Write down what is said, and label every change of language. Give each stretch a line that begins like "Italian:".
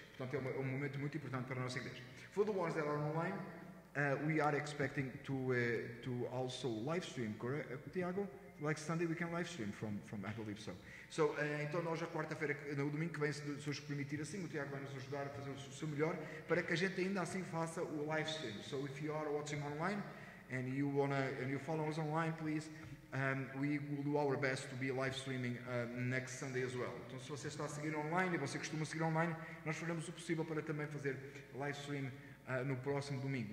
Portuguese: Portanto, é um momento muito importante para a nossa igreja.
English: For the ones that are online, we are expecting to also live stream, correct, Tiago? Like Sunday we can live stream from I believe so.
Portuguese: So então nós já quarta-feira, no domingo que vem, se nos permitir assim, o Tiago vai nos ajudar a fazer o seu melhor para que a gente ainda assim faça o live stream.
English: So if you are watching online and you wanna and you follow us online, please, we will do our best to be live streaming next Sunday as well.
Portuguese: Então se você está a seguir online e você costuma seguir online, nós faremos o possível para também fazer live stream no próximo domingo.